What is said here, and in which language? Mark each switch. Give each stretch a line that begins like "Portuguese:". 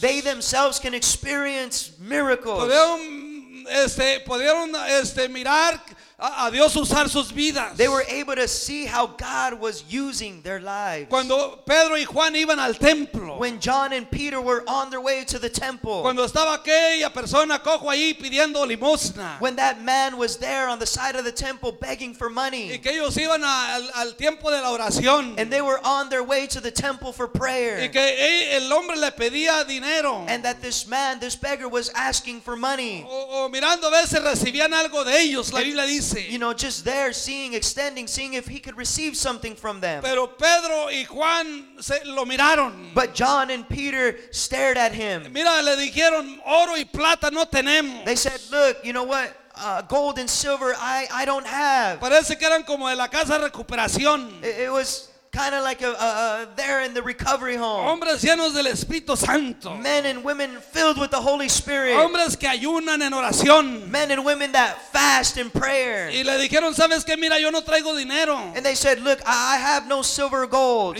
English: They themselves can experience miracles.
Spanish: Pudieron mirar a Dios usar sus vidas.
English: They were able to see how God was using their lives.
Spanish: Cuando Pedro y Juan iban al templo.
English: When John and Peter were on their way to the temple.
Spanish: Cuando estaba aquella persona cojo ahí pidiendo limosna.
English: When that man was there on the side of the temple begging for money.
Spanish: Y que ellos iban al tiempo de la oración.
English: And they were on their way to the temple for prayer.
Spanish: Y que el hombre le pedía dinero.
English: And that this man, this beggar, was asking for money.
Spanish: O mirando a ver si recibían algo de ellos. La Biblia dice.
English: You know, just there seeing if he could receive something from them.
Spanish: Pero Pedro y Juan se lo miraron.
English: But John and Peter stared at him.
Spanish: Mira, le dijeron, oro y plata no tenemos.
English: They said, look, you know what? Gold and silver, I don't have.
Spanish: Parece que eran como de la casa de recuperación.
English: It was kind of like there in the recovery home.
Spanish: Hombres llenos del Espíritu Santo.
English: Men and women filled with the Holy Spirit.
Spanish: Hombres que ayunan en oración.
English: Men and women that fast in prayer.
Spanish: Y le dijeron, ¿sabes qué? Mira, yo no traigo dinero.
English: And they said, look, I have no silver or gold.